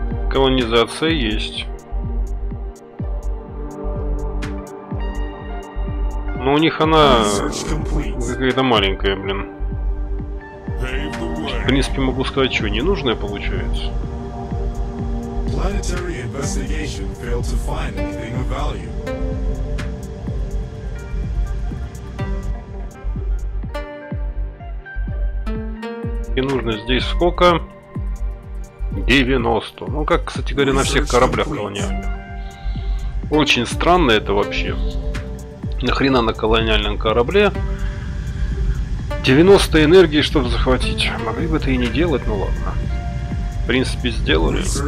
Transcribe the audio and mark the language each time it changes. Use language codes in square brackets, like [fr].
[ru] Колонизация есть. Но у них она какая-то маленькая, блин. В принципе, могу сказать, что ненужное получается. [en] Planetary investigation failed to find anything of value. [ru] И нужно здесь сколько? 90. Ну как, кстати говоря, на всех кораблях колониальных. Очень странно это вообще. Нахрена на колониальном корабле 90 энергии, чтобы захватить. Могли бы это и не делать, ну ладно. В принципе, сделали.